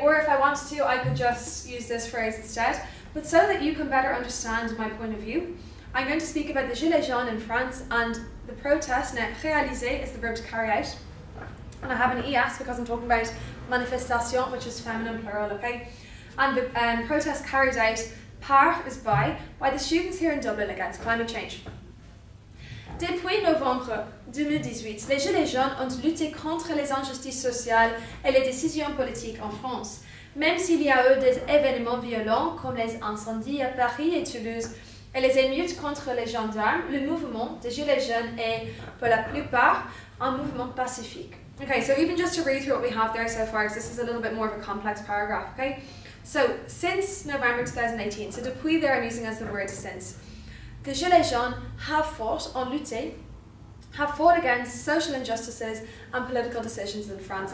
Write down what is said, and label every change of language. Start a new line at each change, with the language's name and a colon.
English: Or if I wanted to, I could just use this phrase instead. But so that you can better understand my point of view, I'm going to speak about the Gilets Jaunes in France and the protest. Now, réaliser is the verb to carry out. And I have an ES because I'm talking about manifestation, which is feminine plural, okay? And the protest carried out par is by the students here in Dublin against climate change.
French: Depuis novembre 2018, les Gilets jaunes ont lutté contre les injustices sociales et les décisions politiques en France. Même s'il y a eu des événements violents comme les incendies à Paris et Toulouse et les émeutes contre les gendarmes, le mouvement des Gilets jaunes est, pour la plupart, un mouvement pacifique.
English: Okay, so even just to read through what we have there so far, because this is a little bit more of a complex paragraph, okay? So, since November 2018, so depuis there I'm using as the word since, the Gilets Jaunes have fought against social injustices and political decisions in France.